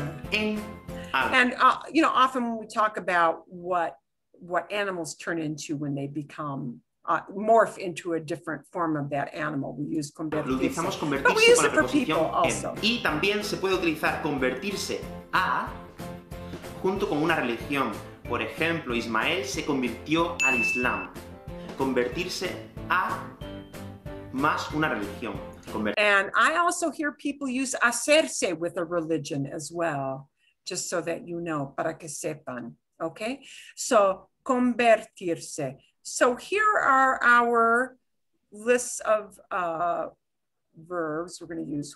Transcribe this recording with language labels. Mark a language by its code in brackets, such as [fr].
[en] You know, often we talk about what animals turn into when they become morph into a different form of that animal. We use convertirse, but we use it for people also. [es] Y también se puede utilizar convertirse a junto con una religión. Por ejemplo, Ismael se convirtió al Islam. Convertirse a más una religión. [en] And I also hear people use hacerse with a religion as well, just so that you know, [es] para que sepan, [en] okay? So, convertirse. So here are our lists of verbs we're going to use.